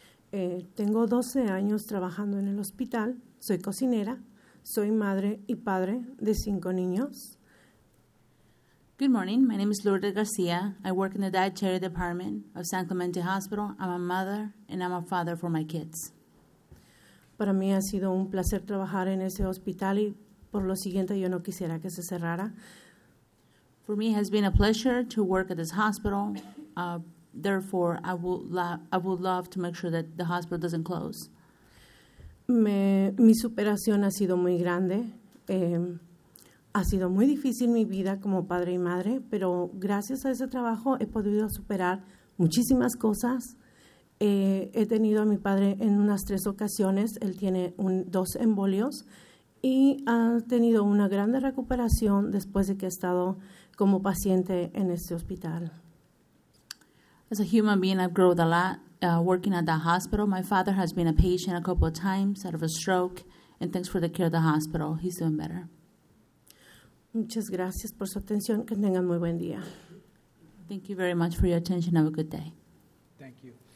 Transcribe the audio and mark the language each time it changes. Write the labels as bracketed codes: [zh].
[es] Tengo 12 años trabajando en el hospital. Soy cocinera. Soy madre y padre de 5 niños. [en] Good morning. My name is Lourdes Garcia. I work in the dietary department of San Clemente Hospital. I'm a mother and I'm a father for my kids. [es] Para mí ha sido un placer trabajar en ese hospital y por lo siguiente yo no quisiera que se cerrara. [en] For me, it has been a pleasure to work at this hospital. Therefore, I would love to make sure that the hospital doesn't close. [es] Mi superación ha sido muy grande. Ha sido muy difícil mi vida como padre y madre, pero gracias a ese trabajo he podido superar muchísimas cosas. He tenido a mi padre en unas 3 ocasiones. Él tiene 2 embolios y ha tenido una grande recuperación después de que ha estado como paciente en este hospital. [en] As a human being, I've grown a lot working at the hospital. My father has been a patient a couple of times out of a stroke, and thanks for the care of the hospital. He's doing better. [es] Muchas gracias por su atención. Que tengan muy buen día. [en] Thank you very much for your attention. Have a good day. Thank you.